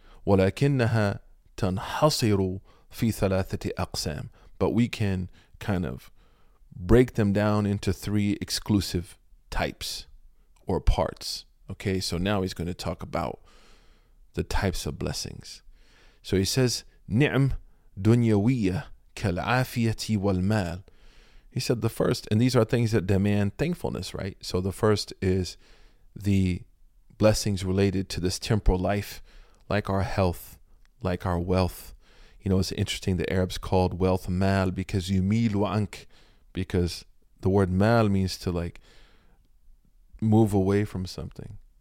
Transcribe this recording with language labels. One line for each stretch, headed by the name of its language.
Arabic: وَلَكِنَّهَا تَنْحَصِرُ فِي ثَلَاثَةِ أَقْسَامٍ.
English: But we can kind of break them down into three exclusive types or parts. Okay, so now he's going to talk about the types of blessings. So he says,
Arabic: نِعْم دُنْيَوِيَّ كَالْعَافِيَةِ وَالْمَالِ.
English: He said the first, and these are things that demand thankfulness, right? So the first is the blessings related to this temporal life, like our health, like our wealth. You know, it's interesting, the Arabs called wealth mal because
Arabic: yumilu ank,
English: because the word mal means to like move away from something.